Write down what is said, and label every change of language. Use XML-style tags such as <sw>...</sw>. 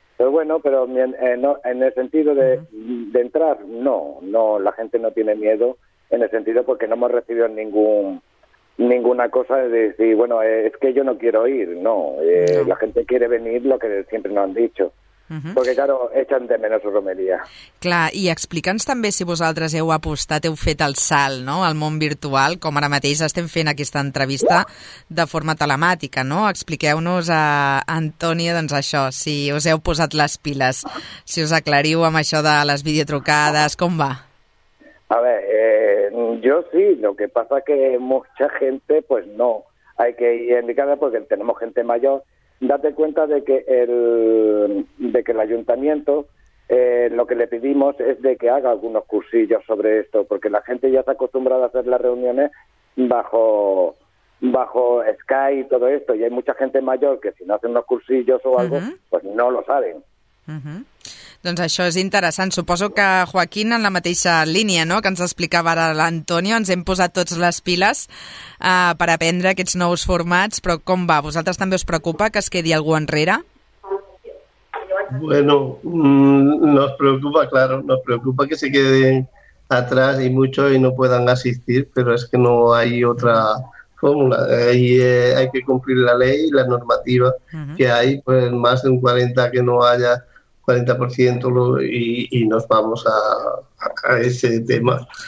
<es>Pero bueno, pero en el sentido de entrar, no, la gente no tiene miedo, en el sentido porque no hemos recibido ninguna cosa de decir, bueno, es que yo no quiero ir, no. La gente quiere venir, lo que siempre nos han dicho. Uh-huh. Perquè, claro, echan de menos romeria.</es> <ca>Clar, i explica'ns també si vosaltres heu apostat, heu fet el salt, no?, al món virtual, com ara mateix estem fent aquesta entrevista de forma telemàtica, no? Expliqueu-nos a Antònia, doncs, això, si us heu posat les piles, si us aclariu amb això de les videotrucades, com va?</ca> <es>A ver, yo sí, lo que pasa que mucha gente, pues no, hay que ir indicando porque tenemos gente mayor. Date cuenta de que el ayuntamiento, lo que le pedimos es de que haga algunos cursillos sobre esto, porque la gente ya está acostumbrada a hacer las reuniones bajo Skype y todo esto, y hay mucha gente mayor que si no hacen unos cursillos o algo, pues no lo saben. Uh-huh.</es> <ca>Doncs això és interessant. Suposo que Joaquín, en la mateixa línia, no?, que ens explicava ara l'Antonio, ens hem posat tots les piles per aprendre aquests nous formats, però com va? Vosaltres també us preocupa que es quedi algú enrere?</ca> <es>Bueno, nos preocupa, claro, nos preocupa que se queden atrás y mucho y no puedan asistir, pero es que no hay otra fórmula. Hay que cumplir la ley y la normativa que hay, pues más de un 40 que no haya 40% y nos vamos a ese tema.</es>